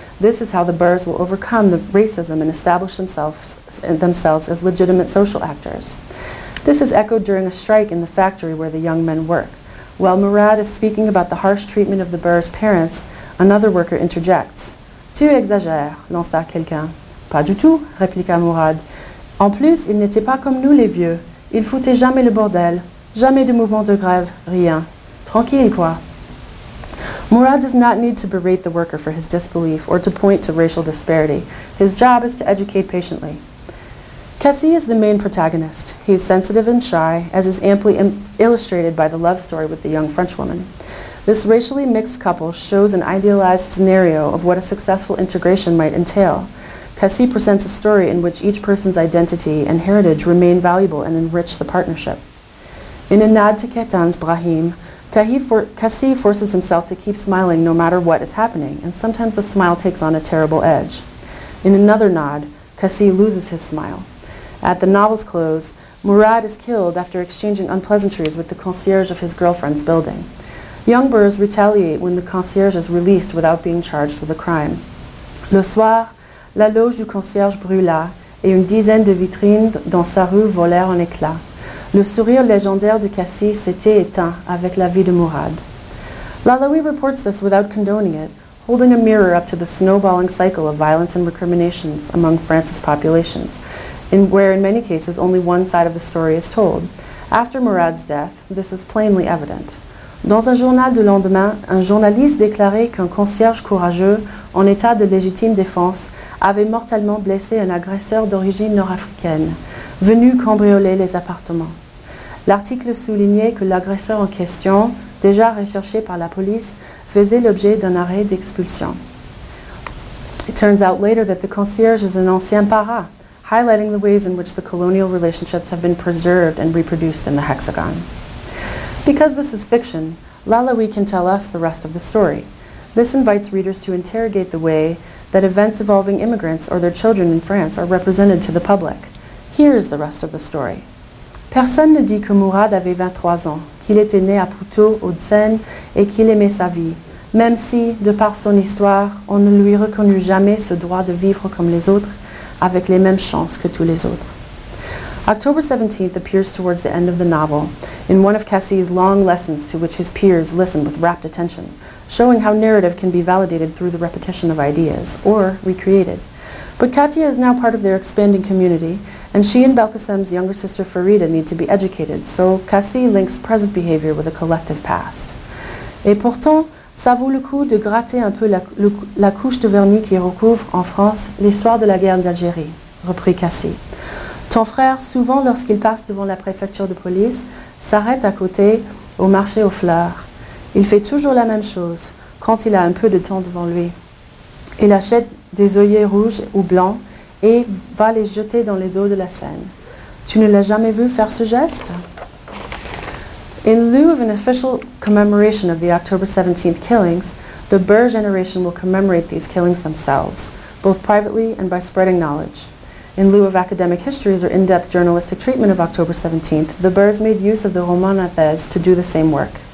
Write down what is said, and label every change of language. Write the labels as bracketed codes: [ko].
[en] This is how the Burrs will overcome the racism and establish themselves as legitimate social actors. This is echoed during a strike in the factory where the young men work. While Mourad is speaking about the harsh treatment of the Burrs' parents, another worker interjects. [fr] Tu exagères, lança quelqu'un. Pas du tout, répliqua Mourad. En plus, il n'était pas comme nous les vieux. Il foutait jamais le bordel. Jamais de mouvement de grève, rien. Tranquille, quoi. [en] Mourad does not need to berate the worker for his disbelief or to point to racial disparity. His job is to educate patiently. Cassie is the main protagonist. He is sensitive and shy, as is amply illustrated by the love story with the young Frenchwoman. This racially mixed couple shows an idealized scenario of what a successful integration might entail. Cassie presents a story in which each person's identity and heritage remain valuable and enrich the partnership. In a nod to Kétan's Brahim, Cassie forces himself to keep smiling no matter what is happening, and sometimes the smile takes on a terrible edge. In another nod, Cassie loses his smile. At the novel's close, Mourad is killed after exchanging unpleasantries with the concierge of his girlfriend's building. Young Burrs retaliate when the concierge is released without being charged with a crime. [fr] Le soir, la loge du concierge brûla et une dizaine de vitrines dans sa rue volèrent en éclats. Le sourire légendaire de Cassie s'était éteint avec la vie de Mourad. [en] Lalouie reports this without condoning it, holding a mirror up to the snowballing cycle of violence and recriminations among France's populations, where in many cases only one side of the story is told. After Mourad's death, this is plainly evident. [fr] Dans un journal du lendemain, un journaliste déclarait qu'un concierge courageux, en état de légitime défense, avait mortellement blessé un agresseur d'origine nord-africaine, venu cambrioler les appartements. L'article soulignait que l'agresseur en question, déjà recherché par la police, faisait l'objet d'un arrêt d'expulsion. [en] Turns out later that the concierge is an ancien para, highlighting the ways in which the colonial relationships have been preserved and reproduced in the hexagon. Because this is fiction, Lalaoui can tell us the rest of the story. This invites readers to interrogate the way that events involving immigrants or their children in France are represented to the public. Here is the rest of the story. [fr] Personne ne dit que Mourad avait 23 ans, qu'il était né à Poitou, Hauts-de-Seine, et qu'il aimait sa vie, même si, de par son histoire, on ne lui reconnut jamais ce droit de vivre comme les autres, avec les mêmes chances que tous les autres. [en] October 17th appears towards the end of the novel, in one of Cassie's long lessons to which his peers listen with rapt attention, showing how narrative can be validated through the repetition of ideas, or recreated. But Katia is now part of their expanding community, and she and Belkacem's younger sister Farida need to be educated, so Cassie links present behavior with a collective past. [fr] Et pourtant, ça vaut le coup de gratter un peu la couche de vernis qui recouvre, en France, l'histoire de la guerre d'Algérie, reprit Cassie. Ton frère, souvent lorsqu'il passe devant la préfecture de police, s'arrête à côté, au marché aux fleurs. Il fait toujours la même chose, quand il a un peu de temps devant lui. Il achète des œillets rouges ou blancs et va les jeter dans les eaux de la Seine. Tu ne l'as jamais vu faire ce geste? [en] In lieu of an official commemoration of the October 17th killings, the Burr generation will commemorate these killings themselves, both privately and by spreading knowledge. In lieu of academic histories or in-depth journalistic treatment of October 17th, the Burrs made use of the Roman Athèse to do the same work.